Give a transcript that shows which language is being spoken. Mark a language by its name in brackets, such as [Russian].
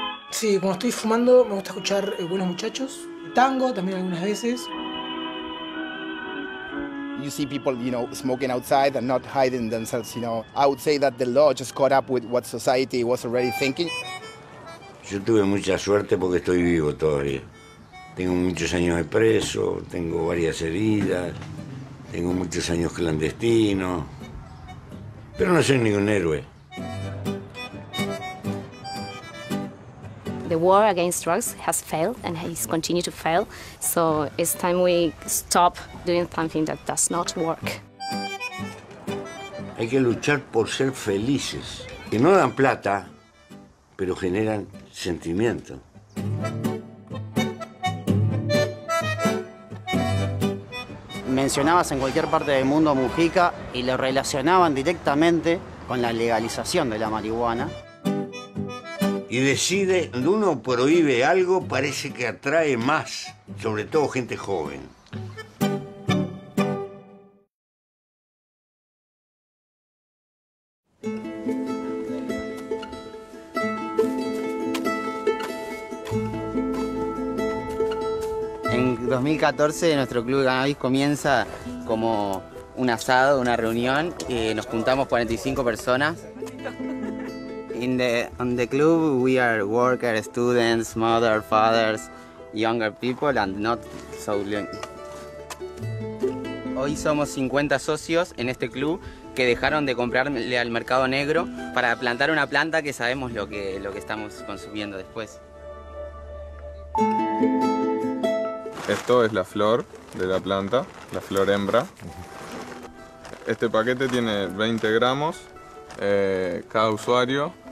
[Spanish] Sí, cuando estoy fumando me gusta escuchar Buenos Muchachos, tango también algunas veces. [English] You see people, you know, smoking outside and not hiding themselves, you know. I would say that the law just caught up with what society was already thinking. [Spanish] Yo tuve mucha suerte porque estoy vivo todavía. Tengo muchos años de preso, tengo varias heridas, tengo muchos años clandestino, pero no soy ningún héroe. [English] The war against drugs has failed and has continued to fail, so it's time we stop doing something that does not work. [Spanish] Hay que luchar por ser felices, que no dan plata, pero generan sentimiento. Mencionabas en cualquier parte del mundo Mujica y lo relacionaban directamente con la legalización de la marihuana. Y decide, cuando uno prohíbe algo, parece que atrae más, sobre todo gente joven. En 2014 nuestro club de cannabis comienza como un asado, una reunión, y nos juntamos 45 personas. [English] In the club we are workers, students, mother, fathers, younger people and not so young. [Spanish] Hoy somos 50 socios en este club que dejaron de comprarle al mercado negro para plantar una planta que sabemos lo que estamos consumiendo después. Esto es la flor de la planta, la flor hembra. Este paquete tiene 20 gramos cada usuario.